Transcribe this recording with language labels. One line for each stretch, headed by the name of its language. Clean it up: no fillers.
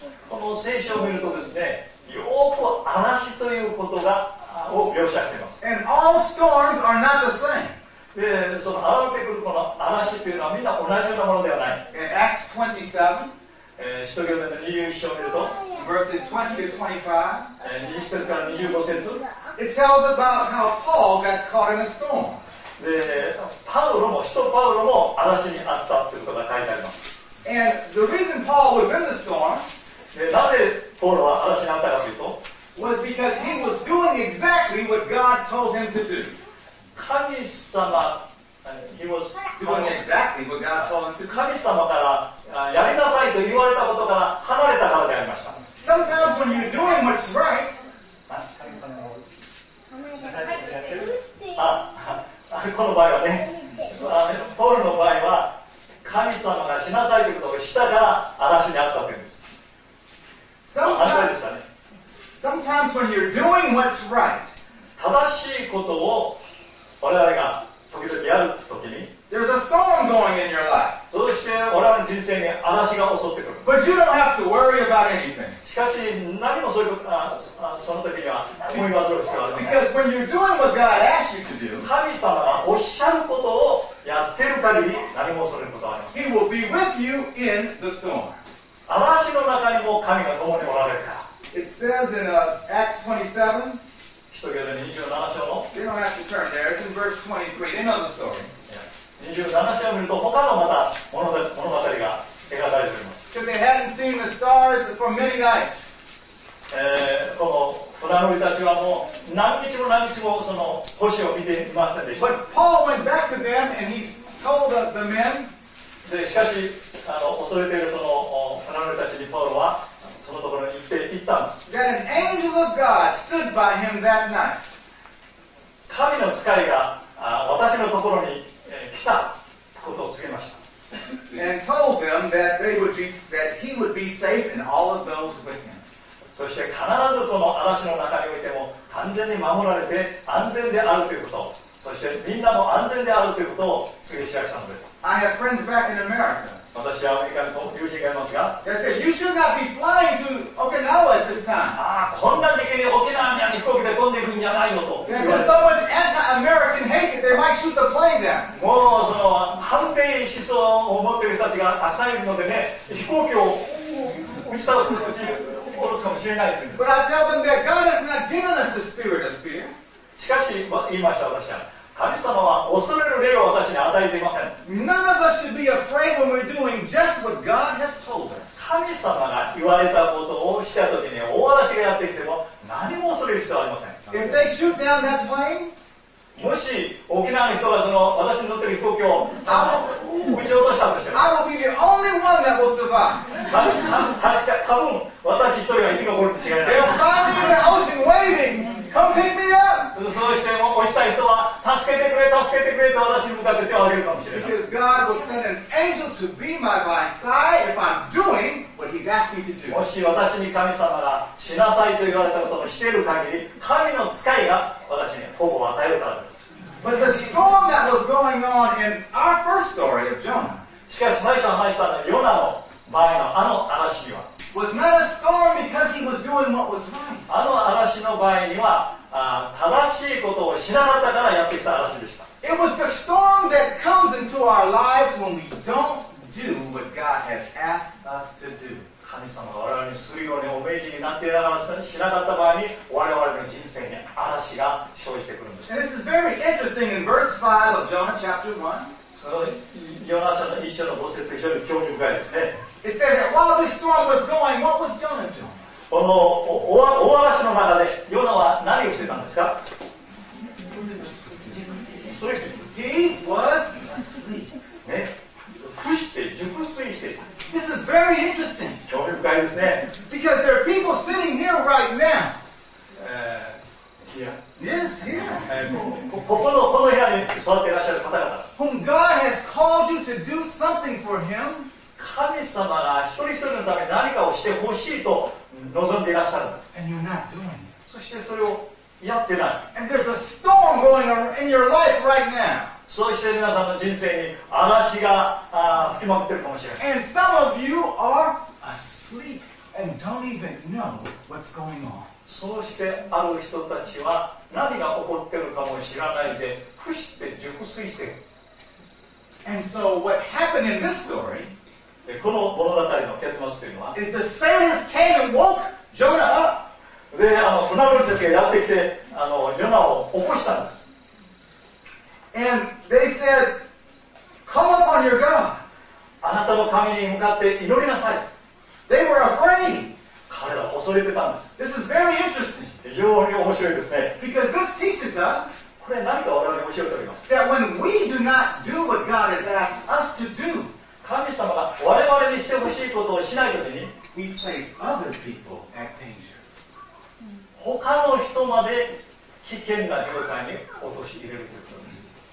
Japanese: この聖書を見るとですね、よく嵐ということを描写しています。
English: And all storms are not the same.
Japanese: で、その現れてくるこの嵐というのはみんな同じようなものではない。
English: In Acts 27,
Japanese: 使徒行伝の21章を見ると、
English: verses 20 to 25,
Japanese: 20節から25節、
English: it tells about how Paul got caught in a storm.
Japanese: で、パウロも、使徒パウロも嵐にあったということが書いてあります。
English: And the reason Paul was in the storm,
Japanese: なぜポールは嵐にあったかというと、
English: was because he was doing exactly what God told him to do. 神様、he was doing exactly what God told him to do.
Japanese: 神様からやりなさいと言われたことから離れたからでありました。
English: Sometimes when you're doing what's right,
Japanese: 神様をやってる？あ、この場合はね、ポールの場合は神様がしなさいということをしたから嵐にあったわけです。
English: Sometimes when you're doing what's right,
Japanese: 正しいことを我々が時々やるときに、
English: there's a storm going in your life.
Japanese: そして我々の人生に嵐が襲ってくる。
English: But you don't have to worry about anything.
Japanese: しかし何もそういうことその時には思い忘れる必要はありません。
English: Because when you're doing what God asks you to do,
Japanese: 神様がおっしゃることをやってる限り何も恐れることはありません。
English: He will be with you in the storm.
Japanese: 嵐の中にも神が共におられるから。
English: It says in Acts 27, you don't have to turn there, it's in verse 23, they know the story.
Japanese: 27章を見ると他のまた物語が描かれております。
English: Because they hadn't seen the stars for many nights.
Japanese: この船乗りたちはもう何日も何日もその星を見ていませんでした。
English: But Paul went back to them and he told the men,
Japanese: でしかし恐れているその船乗りたちにパウロはそのところに行って行ったんです。
English: That an angel of God stood by him that night.
Japanese: 神の使いが私のところに来たことを告げました。
English: And told them that they would be, that he would be safe and all of those with him.
Japanese: そして必ずこの嵐の中においても完全に守られて安全であるということを、そしてみんなも安全であるということを告げ知らせたのです。
English: I have friends back in America.
Japanese: 私はアメリカの友人がいますが、
English: They say, you should not be flying to Okinawa at this time.
Japanese: こんな時期に沖縄に飛行機で飛んでいくんじゃないのと。
English: There's so much anti-American hate, they might shoot the plane there.
Japanese: もうその反米思想を持っている人たちがたくさんいるのでね、飛行機を打ち倒すのに下ろすかもしれないです。
English: But I tell them that God has not given us the spirit of fear.
Japanese: しかし、言いました、私は。神様は恐れる霊を私に与えていません。
English: None of us should be afraid when we're doing just what God has told us.
Japanese: 神様が言われたことをしたときに、大嵐がやってきても、何も恐れる必要はありません。
English: If they shoot down that plane,
Japanese: もし、沖縄の人がその私に乗っている飛行機を撃ち落としたとしても
English: 、I will be the only one that will survive.
Japanese: 確か、多分、私一人は生き残るって違いない。
English: They'll find me in the ocean waiting. Come pick me up!
Japanese: そうしても落ちたい人は助けてくれ助けてくれと私に向かって手を挙げるかもしれない。
English: Because God will send an angel to be my by side if I'm doing what He's asked me to do.
Japanese: もし私に神様がしなさいと言われたことをしている限り、神の使いが私に保護を与えるからです。
English: But the storm that was going on in our first story of Jonah.
Japanese: しかし最初話したヨナの場合のあの嵐には。
English: Was not a storm because he was doing what was right.
Japanese: あの嵐の場合には正しいことをしなかったからやってきた嵐でした。
English: It was the storm that comes into our lives when we don't do what God has asked us to do.
Japanese: 神様が我々にするようにお命じになっていながらしなかった場合に我々の人生に嵐が生じてくるんです。
English: And this is very interesting in verse 5 of Jonah chapter 1.
Japanese: そのヨナ書の一章の五節非常に興味深いですね。
English: It said that while this storm was going, what was Jonah doing?
Japanese: この大嵐の中でヨナは何をしてたんですか？
English: He was asleep.
Japanese: 伏して熟睡してた。
English: This is very interesting.
Japanese: 興味深いですね。
English: Because there are people sitting here right now. Yes, here.
Japanese: この部屋に座っていらっしゃる方々。
English: Whom God has called you to do something for him.
Japanese: 神様が一人一人のために何かをしてほしいと望んでいらっしゃるんです。
English: And you're not doing it.
Japanese: そしてそれをやってない。
English: And there's a storm going on in your life right now.
Japanese: そして皆さんの人生に嵐が吹きまくってるかもしれない。
English: And some of you are asleep and don't even know what's going on.
Japanese: そしてある人たちは何が起こっているかも知らないで伏して熟睡している。
English: And so what happened in this story、
Japanese: この物語の結末というのは
English: is the sailors came and woke Jonah up。
Japanese: で、船乗りたちがやってきてジョナを起こしたんです。
English: And they said, call upon your God.
Japanese: あなたの神に向かって祈りなさい。
English: They were afraid.
Japanese: 彼ら恐れてたんです。
English: This is very interesting.
Japanese: 非常に面白いですね。
English: Because this teaches us,
Japanese: これ何か我々に教えております。
English: That when we do not do what God has asked us to do,
Japanese: 神様が我々にしてほしいことをしないときに、
English: we place other people at danger.
Japanese: 他の人まで危険な状態に陥れるということです。